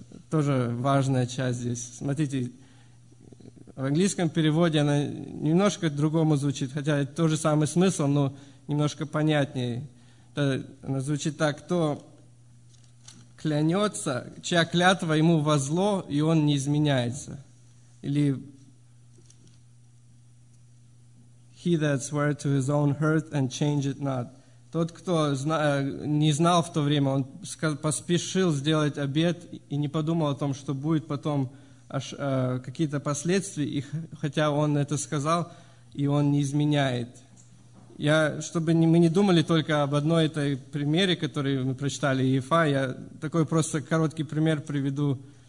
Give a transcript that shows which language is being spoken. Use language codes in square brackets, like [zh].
[ru] Тоже важная часть здесь. Смотрите, в английском переводе она немножко другому звучит, хотя это тот же самый смысл, но немножко понятнее. Это, она звучит так: кто клянется, чья клятва ему во зло, и он не изменяется. Или [en] he that swore to his own hurt and changed it not. [ru] Тот, кто не знал в то время, он поспешил сделать обет и не подумал о том, что будет потом какие-то последствия, и хотя он это сказал, и он не изменяет. Я, чтобы мы не думали только об одной этой примере, который мы прочитали, Ефа, я такой просто короткий пример приведу.